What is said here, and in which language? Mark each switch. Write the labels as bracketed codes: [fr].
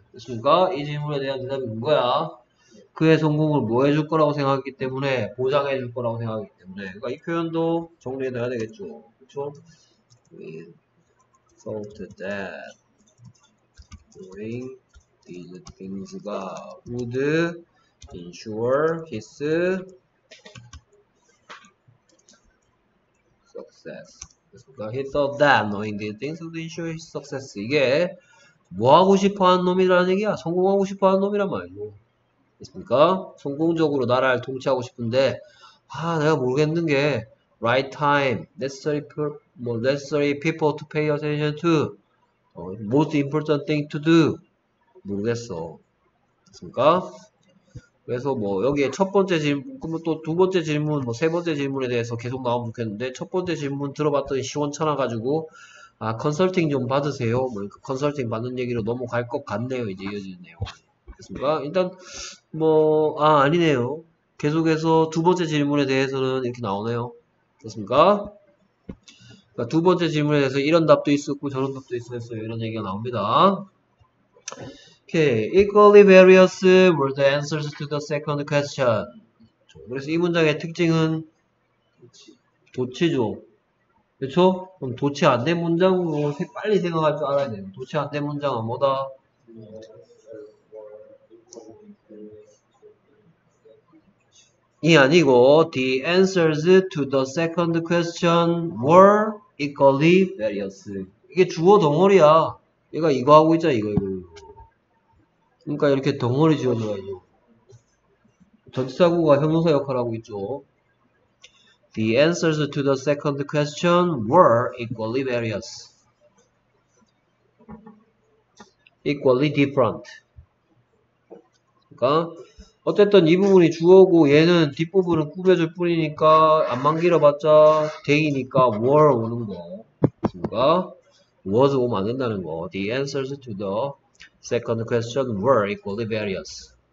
[ko] 그러니까 이 질문에 대한 대답이 뭔 거야? 그의 성공을 뭐 해줄 거라고 생각했기 때문에 보장해 줄 거라고 생각했기 때문에 그러니까 이 표현도 정리해 놔야 되겠죠. 그렇죠? [en] We thought that doing these things would ensure his success. [ko] 그러니까 [en] he thought that knowing these things would ensure his success. [ko] 이게 뭐 하고 싶어 하는 놈이라는 얘기야? 성공하고 싶어 하는 놈이란 말이고. 있습니까? 성공적으로 나라를 통치하고 싶은데 아 내가 모르겠는 게 [en] right time, necessary, 뭐, necessary people to pay attention to, most important thing to do [ko] 모르겠어. 있습니까? 그래서 뭐 여기에 첫 번째 질문, 그러면 또두 번째 질문, 뭐세 번째 질문에 대해서 계속 나오면 좋겠는데 첫 번째 질문 들어봤더니 시원찮아 가지고 아 컨설팅 좀 받으세요. 뭐 컨설팅 받는 얘기로 넘어갈 것 같네요. 이제 이어지는 내용. 그렇습니까? 일단 뭐아 아니네요. 계속해서 두 번째 질문에 대해서는 이렇게 나오네요. 그렇습니까? 그러니까 두 번째 질문에 대해서 이런 답도 있었고 저런 답도 있었어요. 이런 얘기가 나옵니다. [en] Okay, equally various were the answers to the second question. [ko] 그래서 이 문장의 특징은 도치죠. 그렇죠? 그럼 도치 안된 문장으로 빨리 생각할 줄 알아야 돼요. 도치 안된 문장은 뭐다? 이 아니고 [en] the answers to the second question were equally various. [ko] 이게 주어 덩어리야. 얘가 이거 하고 있잖아, 이거. 그러니까 이렇게 덩어리 지어져가지고 전치사구가 형용사 역할하고 있죠. [en] The answers to the second question were equally various, equally different. [ko] 그러니까 어쨌든 이 부분이 주어고 얘는 뒷부분은 꾸며줄 뿐이니까 안만 길어봤자 대이니까 were 오는 거. 그러니까 was 오면 안 된다는 거. [en] The answers to the second question were equally various.